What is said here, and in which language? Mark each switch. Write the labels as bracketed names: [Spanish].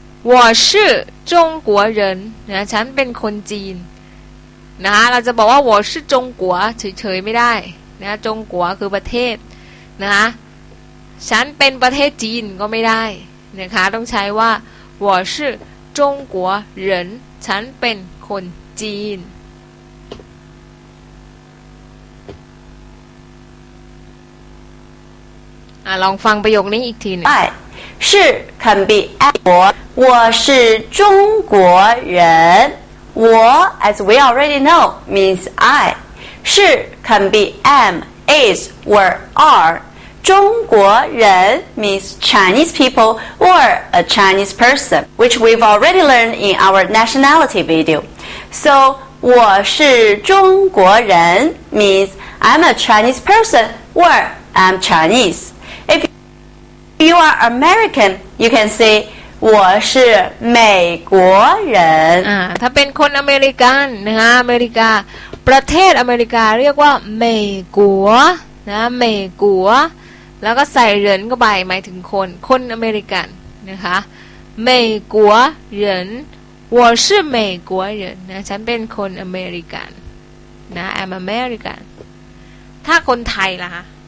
[Chinese] 我是中国人 [Thai] นะฉันเป็นคนจีนนะคะเราจะบอกว่า [Chinese] 我是中国 [Thai] เฉยๆไม่ได้นะจงกัวคือประเทศนะคะฉันเป็นประเทศจีนก็ไม่ได้นะคะต้องใช้ว่า我是中国人ฉันเป็นคนจีนลองฟังประโยคนี้อีกทีนึง [English] ใช่ 是 can be at 我 [Chinese] 我是中国人 [English] 我 as we already know means I 是 can be am, is, or are 中国人 means Chinese people or a Chinese person which we've already learned in our nationality video So 我是中国人 means I'm a Chinese person or I'm ChineseIf you are American, you can say [Chinese] 我是美国人 [Thai] ถ้าเป็นคนอเมริกันนะคะอเมริกาประเทศอเมริกาเรียกว่า美国นะ美国แล้วก็ใส่人เข้าไปหมายถึงคนคนอเมริกันนะคะ [Chinese] 美国人我是美国人 [Thai] นะฉันเป็นคนอเมริกันนะ [English] I'm American [Thai] ถ้าคนไทยล่ะคะ